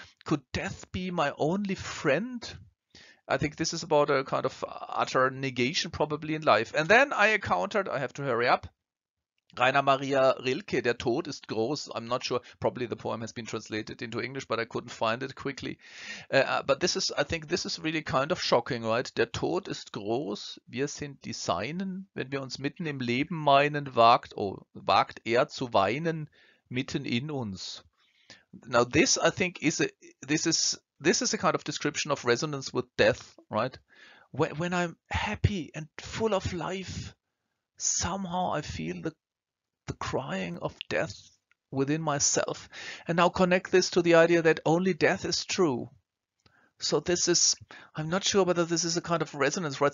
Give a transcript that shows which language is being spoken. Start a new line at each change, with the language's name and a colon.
English: Could death be my only friend? I think this is about a kind of utter negation probably in life. And then I encountered, I have to hurry up, Rainer Maria Rilke,
German: Der Tod ist groß.
English: I'm not sure, probably the poem has been translated into English, but I couldn't find it quickly. But this is, I think this is really kind of shocking, right?
German: Der Tod ist groß, wir sind die Seinen. Wenn wir uns mitten im Leben meinen, wagt er zu weinen mitten in uns.
English: Now this, I think, is a kind of description of resonance with death, right? When I'm happy and full of life, somehow I feel the crying of death within myself. And now connect this to the idea that only death is true. So this is, I'm not sure whether this is a kind of resonance, right?